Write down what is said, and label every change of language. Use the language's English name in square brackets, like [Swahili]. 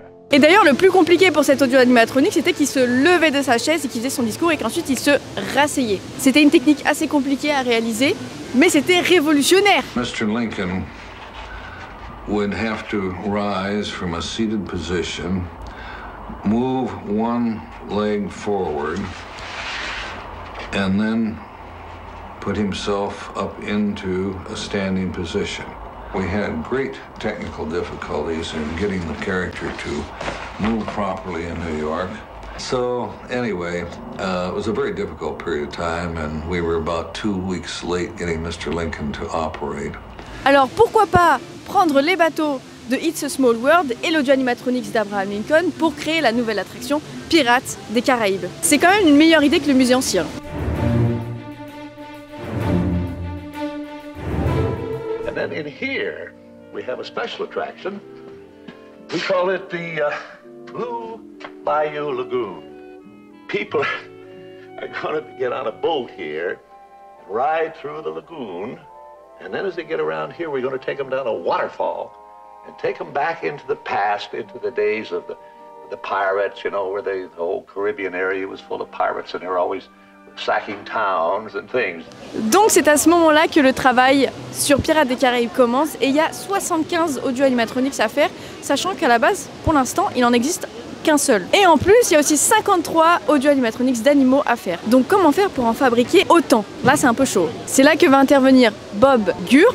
[French] Et d'ailleurs, le plus compliqué pour cet audio-animatronique, c'était qu'il se levait de sa chaise et qu'il faisait son discours et qu'ensuite il se rasseyait. C'était une technique assez compliquée à réaliser, mais c'était révolutionnaire. [English] Mr. Lincoln would have to rise from a seated position, move one leg forward, and then put himself up into a standing position. We had great technical difficulties in getting the character to move properly in New York. So anyway, it was a very difficult period of time, and we were about 2 weeks late getting Mr. Lincoln to operate. [French] Alors pourquoi pas prendre les bateaux de It's a Small World et l'audio-animatronics d'Abraham Lincoln pour créer la nouvelle attraction Pirates des Caraïbes. C'est quand même une meilleure idée que le musée ancien. [English] And then in here, we have a special attraction. We call it the Blue Bayou Lagoon. People are going to get on a boat here, ride through the lagoon. And then as they get around here, we're going to take them down a waterfall and take them back into the past, into the days of the pirates, you know, where the whole Caribbean area was full of pirates and they were always sacking towns and things. [French] Donc c'est à ce moment-là que le travail sur Pirates des Caraïbes commence et il y a 75 audio-animatronics à faire, sachant qu'à la base, pour l'instant, il en existe qu'un seul. Et en plus, il y a aussi 53 audio-animatronics d'animaux à faire. Donc comment faire pour en fabriquer autant? Là, c'est un peu chaud. C'est là que va intervenir Bob Gurr.